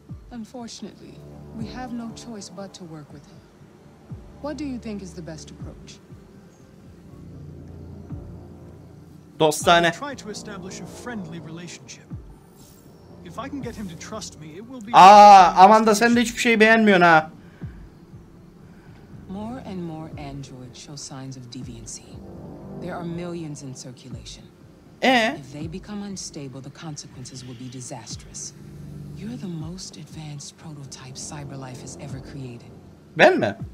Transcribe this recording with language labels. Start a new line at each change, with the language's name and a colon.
English: Unfortunately, we have no choice but to work with him. What do you think is the best approach?
Turkish: Dostane.
English: I'll try to establish a friendly relationship. If I can get him to trust me, it will be.
Turkish: Aa, Amanda, sen de hiçbir şey beğenmiyorsun ha.
English: More and more androids show signs of deviancy. There are millions in circulation. If they become unstable, the consequences will be disastrous. You're the most advanced prototype Cyberlife has ever created.
Turkish: Ben mi?